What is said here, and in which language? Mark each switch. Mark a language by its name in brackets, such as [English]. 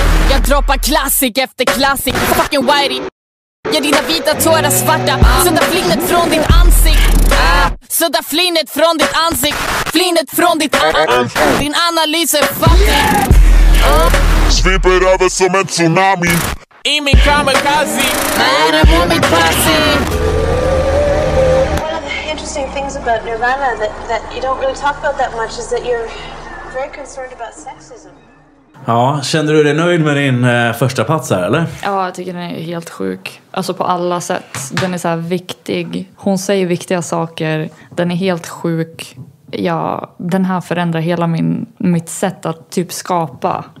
[Swedish] Jag droppar klassik efter klassik. Fucking whitey. Ja, dina vita tårar svarta. Sudda flinet från ditt ansikt. Sudda flinet från ditt ansikt. Flinet från ditt ansikt. Din analys är fucking. Sviper över som en tsunami. [English] I min kamikaze. Man, I'm on my posse. One of the interesting things about Nirvana that you don't really talk about that much is that you're very concerned about sexism. [Swedish] Ja, känner du dig nöjd med din första plats här, eller? Ja, jag tycker den är helt sjuk. Alltså på alla sätt. Den är så här viktig. Hon säger viktiga saker. Den är helt sjuk. Ja, den här förändrar hela mitt sätt att typ skapa.